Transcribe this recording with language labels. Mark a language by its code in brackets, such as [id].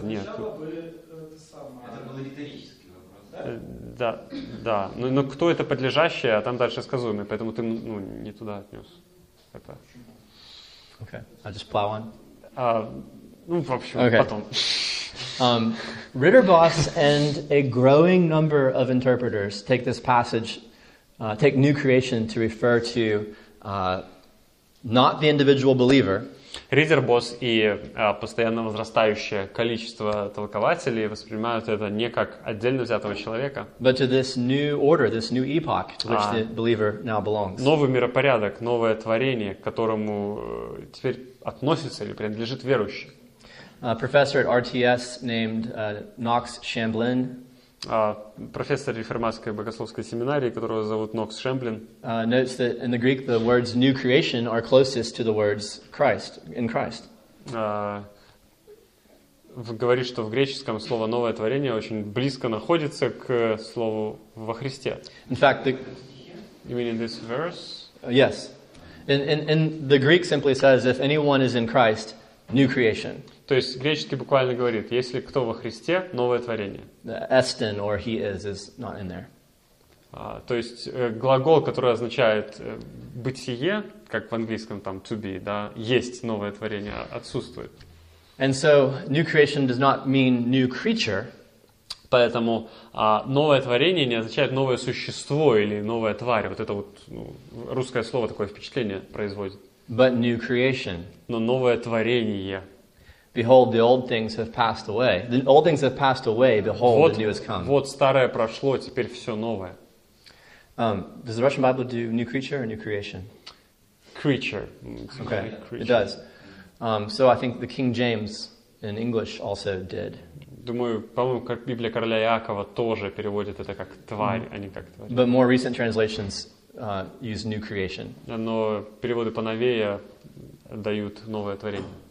[ru] сначала бы это было риторически. Да, да. Но кто это подлежащее, а там дальше сказуемое, поэтому ты не туда отнес это. [en] Okay, I just plow on. [ru] В общем, okay. Потом. [en] Ritterbos and a growing number of interpreters take this passage, take new creation to refer to not the individual believer. [ru] ReaderBoss и постоянно возрастающее количество толкователей воспринимают это не как отдельно взятого человека, [en] but to this new order, this new epoch to which the believer now belongs. [ru] Новый миропорядок, новое творение, к которому теперь относится или принадлежит верующий. [en] A professor at RTS named Knox Chamblin. [ru] Профессор реформатской богословской семинарии, которого зовут Нокс Шемблин, [en] notes that in the Greek the words new creation are closest to the words Christ, in Christ. [ru] Говорит, что в греческом слово новое творение очень близко находится к слову во Христе. [en] In fact, the... You mean in this verse? Yes. In the Greek simply says if anyone is in Christ, new creation. [ru] То есть греческий буквально говорит, если кто во Христе, новое творение. [en] Estin or he is not in there. [ru] То есть глагол, который означает бытие, как в английском там [en] to be, [ru] да, есть новое творение, отсутствует. [en] And so new creation does not mean new creature. [ru] Поэтому новое творение не означает новое существо или новая тварь. Вот это вот русское слово такое впечатление производит. [en] But new creation. [ru] Но новое творение. [en] Behold, the old things have passed away. The old things have passed away. Behold, [ru] вот, [en] the new has come. [ru] Вот старое прошло, теперь все новое. [en] Does the Russian Bible do new creature or new creation? Creature. Okay, creature. It does. So I think the King James in English also did. [ru] Думаю, по-моему, как Библия короля Иакова тоже переводит это как тварь, а не как тварь. [en] But more recent translations use new creation. [ru] Но переводы поновее дают новое творение.